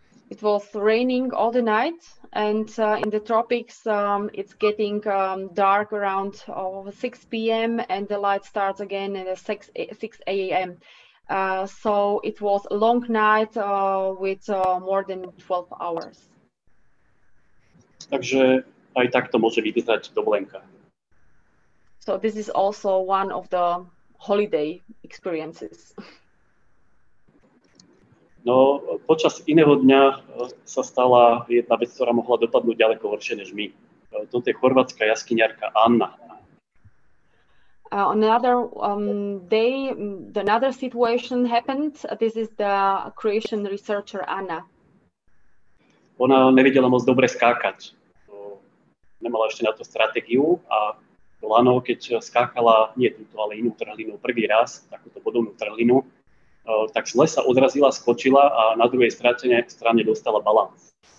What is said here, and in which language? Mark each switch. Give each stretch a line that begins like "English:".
English: It was raining all the night and in the tropics it's getting dark around 6 p.m. and the light starts again at 6 a.m. So it was a long night with more than 12 hours.
Slovak: Takže aj takto môže vyzerať dovolenka.
English: So this is also one of the holiday experiences.
Slovak: No, počas iného dňa sa stala jedna vec, ktorá mohla dopadnúť ďaleko horšie než my. To je chorvátska jaskyniarka Anna.
English: On another day, another situation happened. This is the Croatian researcher Anna.
Slovak: Ona nevedela moc dobre skákať. Nemala ešte na to stratégiu a lano, keď skákala nie túto, ale inú trhlinu prvý raz, takúto podobnú trhlinu, tak zle sa odrazila, skočila a na druhej strane dostala balans.